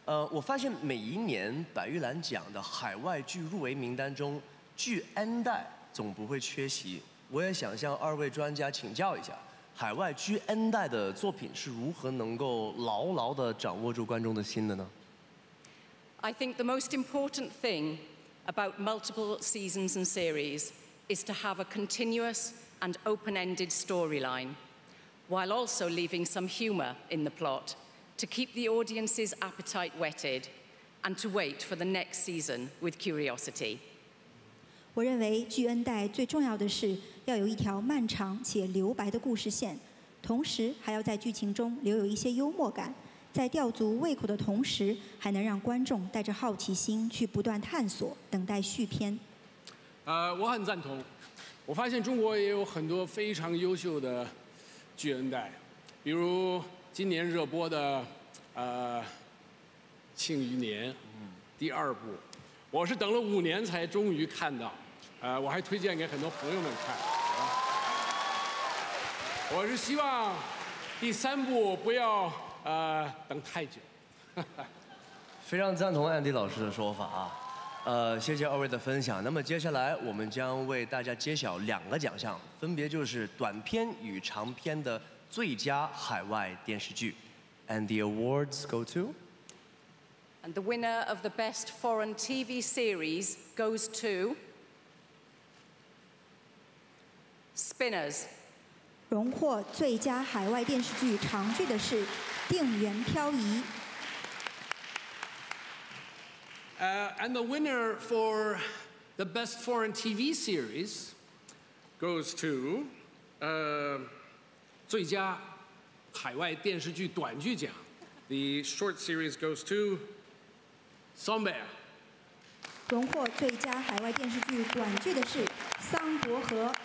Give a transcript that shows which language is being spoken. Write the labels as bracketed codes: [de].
[zh] 我发现每一年白玉兰奖的海外剧入围名单中，剧 N 代总不会缺席。我也想向二位专家请教一下，海外剧 N 代的作品是如何能够牢牢地掌握住观众的心的呢 [en] ？I think the most important thing about multiple seasons and series is to have a continuous and open-ended storyline, while also leaving some humor in the plot. To keep the audience's appetite whetted, and to wait for the next season with curiosity. [zh] 我认为剧 N 代最重要的是要有一条漫长且留白的故事线，同时还要在剧情中留有一些幽默感，在吊足胃口的同时，还能让观众带着好奇心去不断探索，等待续篇。我很赞同。我发现中国也有很多非常优秀的剧 N 代，比如。今年热播的庆余年第二部，我是等了5年才终于看到，我还推荐给很多朋友们看。我是希望第三部不要等太久。非常赞同安迪老师的说法啊，谢谢二位的分享。那么接下来我们将为大家揭晓两个奖项，分别就是短片与长片的最佳海外电视剧。 [en] And the awards go to? And the winner of the best foreign TV series goes to Spinners. [zh] 荣获最佳海外电视剧长剧的是定远漂移。 [en] And the winner for the best foreign TV series goes to [zh] 最佳海外电视剧短剧奖 [en] The short series goes to Somewhere [zh] 荣获最佳海外电视剧短剧的是桑伯河